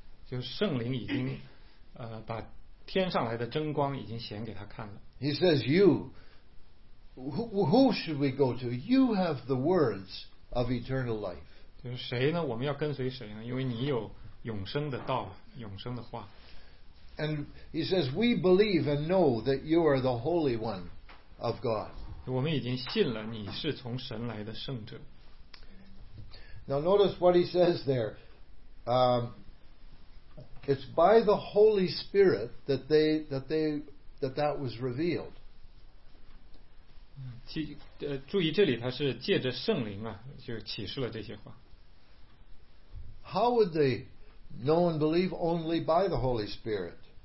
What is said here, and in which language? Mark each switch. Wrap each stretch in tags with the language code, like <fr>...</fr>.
<zh>就是圣灵已经把天上来的真光已经显给他看了。</zh> <en>He says, "You, who should we go to? You have the words of eternal life."</en> <zh>就是谁呢？我们要跟随谁呢？因为你有永生的道，永生的话。</zh> <en>And he says, "We believe and know that you are the Holy One of God."</en> <zh>我们已经信了，你是从神来的圣者。</zh> <en>Now notice what he says there. It's by the Holy Spirit that was revealed.</en> <zh>注意这里，他是借着圣灵啊，就启示了这些话。</zh> <en>How would they know and believe only by the Holy Spirit?</en>